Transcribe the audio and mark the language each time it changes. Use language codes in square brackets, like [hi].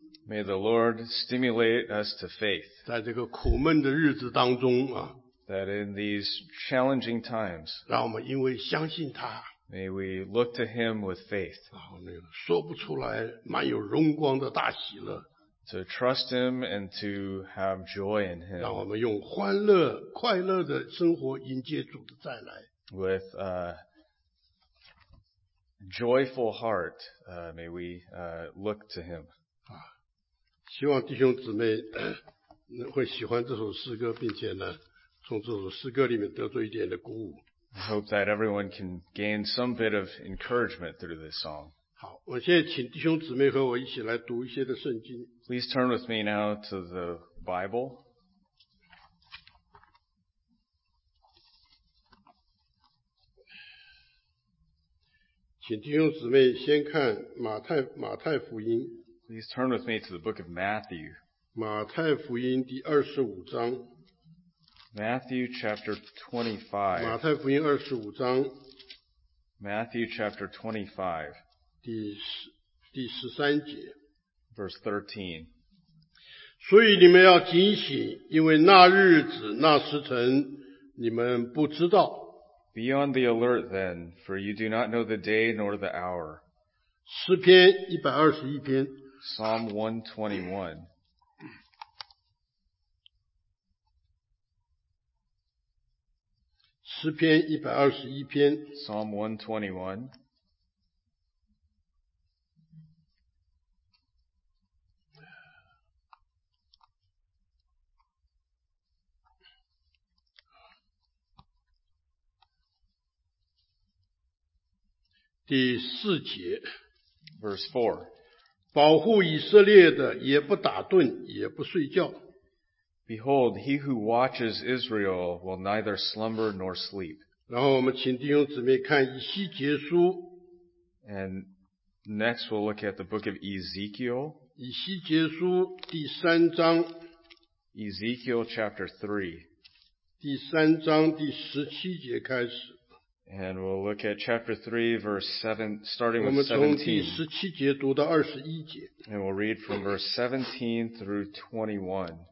[en] May the Lord stimulate us to faith. [zh] 在这个苦闷的日子当中啊。 [en] That in these challenging times. [zh] 让我们因为相信他。 [en] May we look to him with faith. [zh] 我们说不出来满有荣光的大喜乐。 [en] To trust him and to have joy in him. [zh] 让我们用欢乐快乐的生活迎接主的再来。 [en] With a joyful heart, may we look to him. [zh] 希望弟兄姊妹会喜欢这首诗歌，并且呢，从这首诗歌里面得到一点的鼓舞。 [en] I hope that everyone can gain some bit of encouragement through this song. [zh] 好，我现在请弟兄姊妹和我一起来读一些的圣经。 [en] Please turn with me now to the Bible. [zh] 请弟兄姊妹先看马太福音。 [en] Please turn with me to the book of Matthew. [zh] 马太福音第二十五章。 [en] Matthew chapter 25. [zh] 马太福音二十五章。 [en] Matthew chapter 25. [zh] 第十三节 [en] Verse 13. [zh] 所以你们要警醒, 因为那日子, 那时辰, 你们不知道。 [en] Be on the alert then, for you do not know the day nor the hour. [zh] 诗篇 121篇 [en] Psalm 121. [zh] 诗篇 121篇 [en] Psalm 121. [zh] 第四节 [en] Verse 4 [zh] 保护以色列的也不打盹也不睡觉 [en] Behold, he who watches Israel will neither slumber nor sleep. [zh] 然后我们请弟兄姊妹看以西结书 [en] And next we'll look at the book of Ezekiel. [zh] 以西结书第三章 [en] Ezekiel chapter 3 [zh] 第三章第十七节开始 [en] And we'll look at chapter 3, verse 7, starting with 17. [zh] 我们从第十七节读到二十一节。 [en] And we'll read from verse 17 through 21.